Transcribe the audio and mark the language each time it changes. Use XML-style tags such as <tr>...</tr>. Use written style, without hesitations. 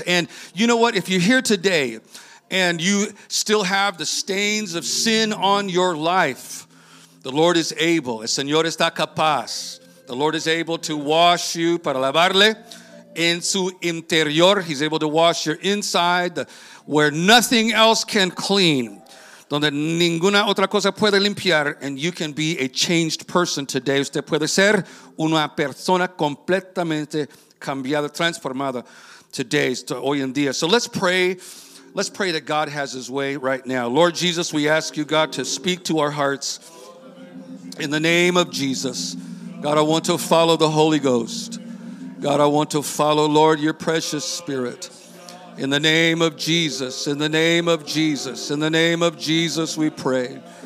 <en>And you know what? If you're here today and you still have the stains of sin on your life, the Lord is able.</en> <es>El Señor está capaz.</es> <en>The Lord is able to wash you</en> <es>para lavarle en su interior.</es> <en>He's able to wash your inside where nothing else can clean.</en> <es>Donde ninguna otra cosa puede limpiar,</es> <en>and you can be a changed person today.</en> <es>Usted puede ser una persona completamente cambiada, transformada today, hoy en día.</es> <en>So let's pray. Let's pray that God has his way right now. Lord Jesus, we ask you, God, to speak to our hearts in the name of Jesus. God, I want to follow the Holy Ghost. God, I want to follow, Lord, your precious spirit. In the name of Jesus, in the name of Jesus, in the name of Jesus, we pray.</en>